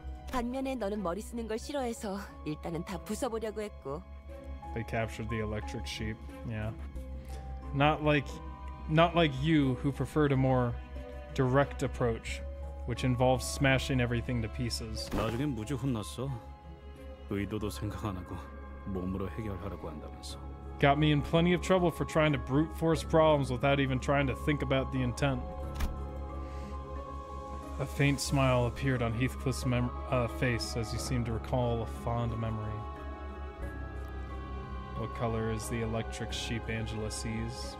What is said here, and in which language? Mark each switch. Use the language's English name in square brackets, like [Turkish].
[Korean] 반면에 너는 머리 쓰는 걸 싫어해서 일단은 다 부숴보려고 했고. [English] They captured the electric sheep. Yeah. Not like you, who preferred a more direct approach, which involves smashing everything to pieces. [Korean] 나중엔 무지 혼났어. 의도도 생각 안 하고 몸으로 해결하라고 한다면서. [English] Got me in plenty of trouble for trying to brute force problems without even trying to think about the intent. A faint smile appeared on Heathcliff's face as he seemed to recall a fond memory. What color is the electric sheep Angela sees?